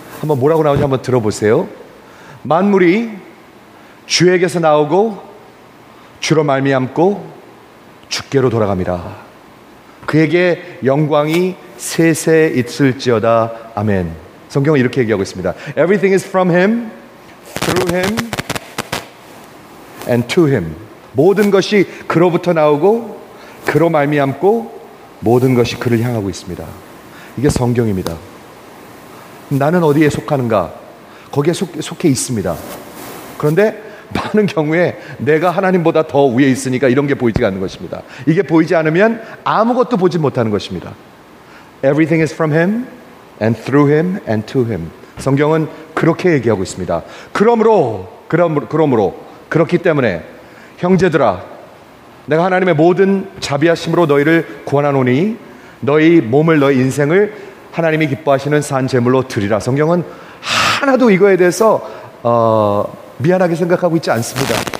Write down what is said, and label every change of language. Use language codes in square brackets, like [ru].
[ko] 한번 뭐라고 나오는지 한번 들어보세요. 만물이 주에게서 나오고 주로 말미암고 주께로 돌아갑니다. 그에게 영광이 세세 있을지어다. 아멘. 성경은 이렇게 얘기하고 있습니다. [en] Everything is from him, through him, and to him. [ko] 모든 것이 그로부터 나오고 그로 말미암고 모든 것이 그를 향하고 있습니다. 이게 성경입니다. 나는 어디에 속하는가? 거기에 속해 있습니다. 그런데 많은 경우에 내가 하나님보다 더 위에 있으니까 이런 게 보이지 않는 것입니다. 이게 보이지 않으면 아무것도 보지 못하는 것입니다. [en] Everything is from him and through him and to him. [ko] 성경은 그렇게 얘기하고 있습니다. 그러므로 그렇기 때문에 형제들아 내가 하나님의 모든 자비하심으로 너희를 구원하노니 너희 몸을 너희 인생을 하나님이 기뻐하시는 산 제물로 드리라. 성경은 하나도 이거에 대해서 미안하게 생각하고 있지 않습니다.